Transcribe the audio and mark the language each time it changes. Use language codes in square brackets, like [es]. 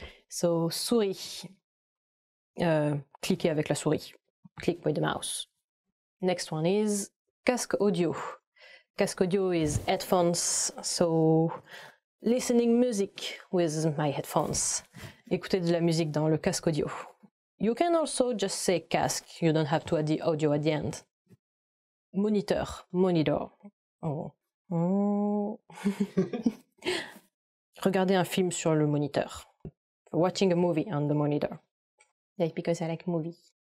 [fr] So, souris, cliquez avec la souris, [en] click with the mouse. Next one is casque audio. Casque audio is headphones, so listening music with my headphones. [fr] Écoutez de la musique dans le casque audio. [en] You can also just say casque, you don't have to add the audio at the end. Moniteur, monitor. Oh. [fr] Regardez un film sur le moniteur. [en] Watching a movie on the monitor. Like because I like movies.